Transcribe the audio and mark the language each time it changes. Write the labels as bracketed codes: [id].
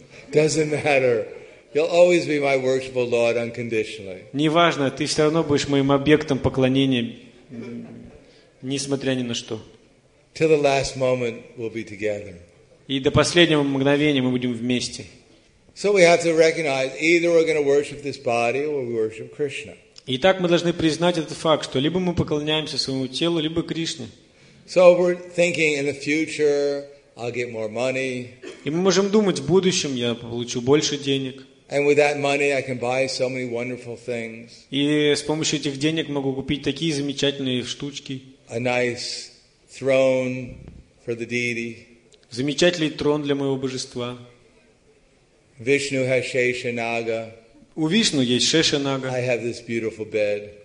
[en] Doesn't matter. You'll always be my worshipful Lord unconditionally. [ru] Неважно, ты все равно будешь моим объектом поклонения, несмотря ни на что. [en] Till the last moment, we'll be together. [ru] И до последнего мгновения мы будем вместе. [en] So we have to recognize either we're going to worship this body or we worship Krishna. [ru] Итак, мы должны признать этот факт, что либо мы поклоняемся своему телу, либо Кришне. [en] So we're thinking in the future, I'll get more money. [ru] И мы можем думать, в будущем я получу больше денег. [en] And with that money I can buy so many wonderful things. [ru] И с помощью этих денег могу купить такие замечательные штучки. [en] A nice throne for the deity. [ru] Замечательный трон для моего божества. [en] Vishnu has Shesha Naga. [ru] У Вишну есть Шеша Нага. [en] I have this beautiful bed.